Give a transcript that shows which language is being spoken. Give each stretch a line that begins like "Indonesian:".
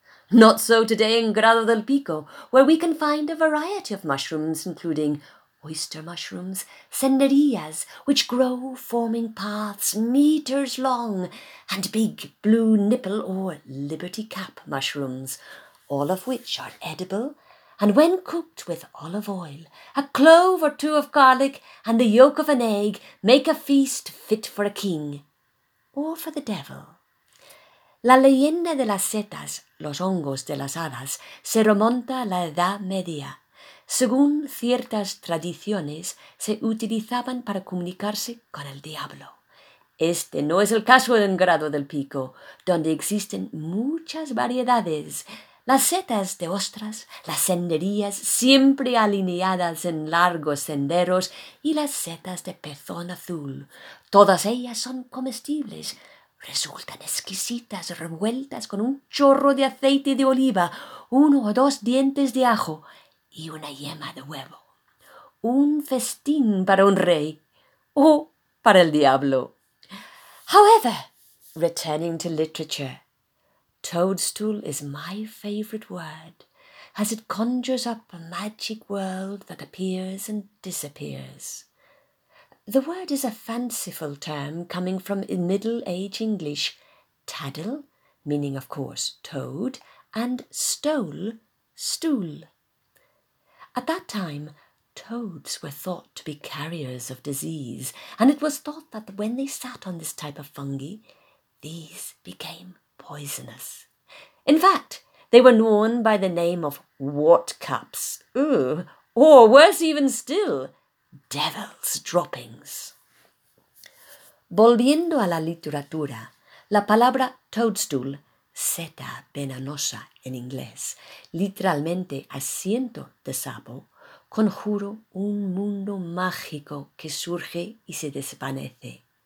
English: Not so today in Grado del Pico, where we can find a variety of mushrooms, including oyster mushrooms, senderillas, which grow forming paths meters long, and big blue nipple or liberty cap mushrooms, all of which are edible, and when cooked with olive oil, a clove or two of garlic, and the yolk of an egg, make a feast fit for a king, or for the devil.
Spanish: La leyenda de las setas, los hongos de las hadas, se remonta a la Edad Media. Según ciertas tradiciones, se utilizaban para comunicarse con el diablo. Este no es el caso en Grado del Pico, donde existen muchas variedades. Las setas de ostras, las senderillas siempre alineadas en largos senderos y las setas de pezón azul. Todas ellas son comestibles. Resultan exquisitas, revueltas con un chorro de aceite de oliva, uno o dos dientes de ajo y una yema de huevo. Un festín para un rey o para el diablo.
English: However, returning to literature, toadstool is my favourite word, as it conjures up a magic world that appears and disappears. The word is a fanciful term coming from Middle Age English, taddle, meaning of course toad, and stole, stool. At that time, toads were thought to be carriers of disease, and it was thought that when they sat on this type of fungi, these became poisonous. In fact, they were known by the name of wart cups, or worse even still, devil's droppings.
Spanish: Volviendo a la literatura, la palabra toadstool, seta venenosa en inglés, literalmente asiento de sapo, conjuro un mundo mágico que surge y se desvanece.